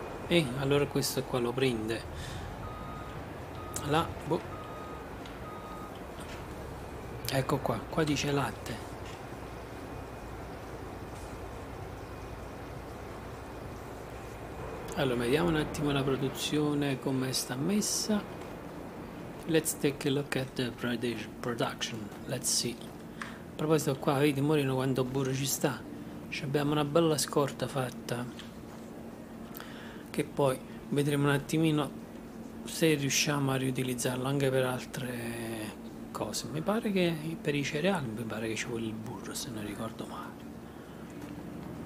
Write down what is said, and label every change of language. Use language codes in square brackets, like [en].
[it] E allora questo qua lo prende là, boh. Ecco qua, qua dice latte, allora vediamo un attimo la produzione come sta messa. [en] Let's take a look at the production, let's see. [it] A proposito qua, vedi Morino quanto burro ci sta, ci abbiamo una bella scorta fatta. E poi vedremo un attimino se riusciamo a riutilizzarlo anche per altre cose. Mi pare che per i cereali mi pare che ci vuole il burro, se non ricordo male.